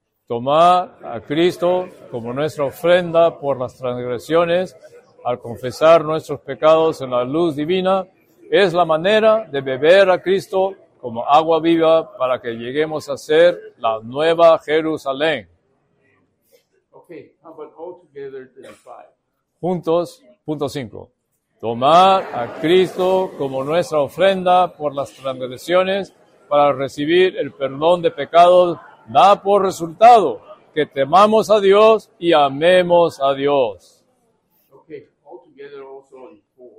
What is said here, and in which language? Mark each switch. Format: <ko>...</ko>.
<es>Tomad a Cristo como nuestra ofrenda por las transgresiones al confesar nuestros pecados en la luz divina. Es la manera de beber a Cristo como agua viva para que lleguemos a ser la nueva Jerusalén.</es> <en>Okay, how about all together to the five?</en> <es>Juntos, punto 5. Tomar a Cristo como nuestra ofrenda por las transgresiones para recibir el perdón de pecados da por resultado que temamos a Dios y amemos a Dios.</es> <en>Okay, all together also in four.</en>